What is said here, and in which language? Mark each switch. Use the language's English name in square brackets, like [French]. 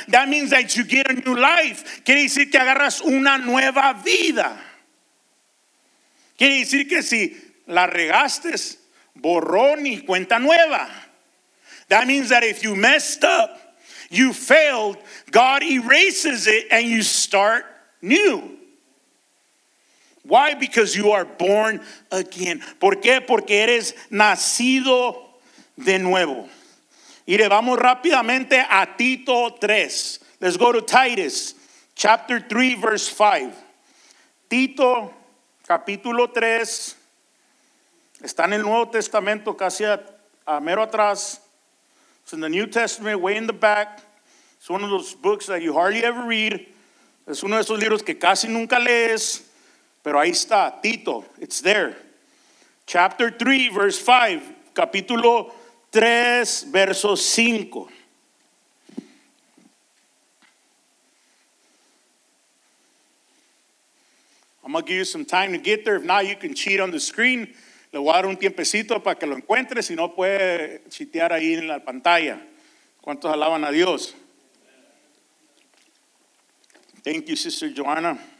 [English] That means that you get a new life. [Spanish] Quiere decir que agarras una nueva vida. Quiere decir que si la regaste, borrón y cuenta nueva. [English] That means that if you messed up, you failed, God erases it and you start new. Why? Because you are born again. [Spanish] ¿Por qué? Porque eres nacido de nuevo. Y le vamos rápidamente a Tito 3. [English] Let's go to Titus chapter 3 verse 5. [Spanish] Tito capítulo 3. Está en el Nuevo Testamento, casi a mero atrás. [English] It's in the New Testament, way in the back. It's one of those books that you hardly ever read. [Spanish] Es uno de esos libros que casi nunca lees. Pero ahí está, Tito, [English] it's there. Chapter 3, verse 5, [Spanish] capítulo 3, verso 5. [English] I'm going to give you some time to get there. If not, you can cheat on the screen. [Spanish] Le voy a dar un tiempecito para que lo encuentre. Si no, puede chitear ahí en la pantalla. ¿Cuántos alaban a Dios? [English] Thank you, Sister Joanna.